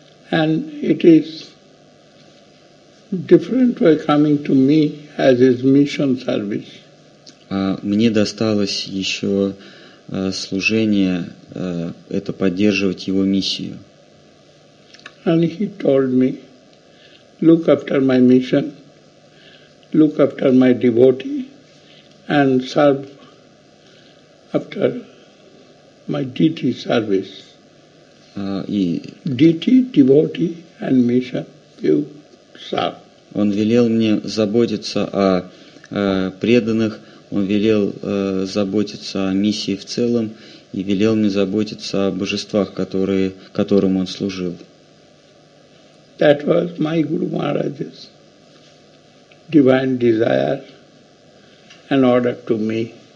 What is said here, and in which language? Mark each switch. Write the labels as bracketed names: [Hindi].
[English] And it is different way coming to me as his mission service. [Russian] Мне досталось еще служение это поддерживать его миссию. [English] And he told me, look after my mission, look after my devotee, and serve after my deity service. Deity, devotee, and mission, you serve. [Russian] Он велел мне заботиться о преданных. Он велел заботиться о миссии в целом и велел мне заботиться о божествах, которым он служил. [English] That was my Guru Maharaj's divine desire and order to me.